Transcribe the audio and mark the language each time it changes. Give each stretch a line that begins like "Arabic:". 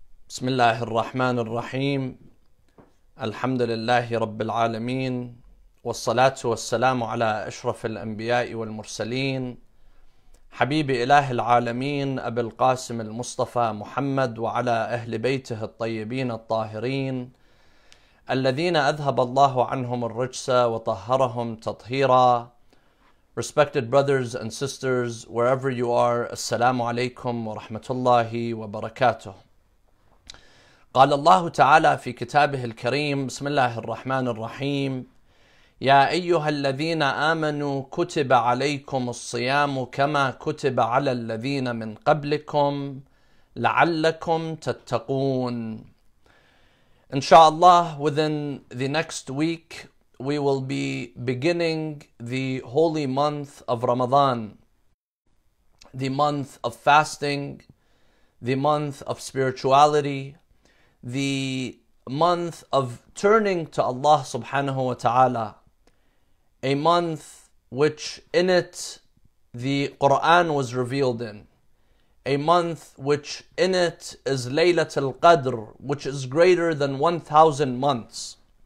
Arabic: بسم الله الرحمن الرحيم الحمد لله رب العالمين والصلاة والسلام على أشرف الأنبياء والمرسلين حبيب إله العالمين أبي القاسم المصطفى محمد وعلى أهل بيته الطيبين الطاهرين الذين أذهب الله عنهم الرجس وطهرهم تطهيرا.
English: Respected brothers and sisters, wherever you are,
Arabic: السلام عليكم ورحمة الله وبركاته. قال الله تعالى في كتابه الكريم بسم الله الرحمن الرحيم يا أيها الذين آمنوا كتب عليكم الصيام كما كتب على الذين من قبلكم لعلكم تتقون.
English: إن شاء الله within the next week we will be beginning the holy month of Ramadan, the month of fasting, the month of spirituality, the month of turning to Allah subhanahu wa ta'ala, a month which in it the Quran was revealed in, a month which in it is Laylatul Qadr, which is greater than 1,000 months.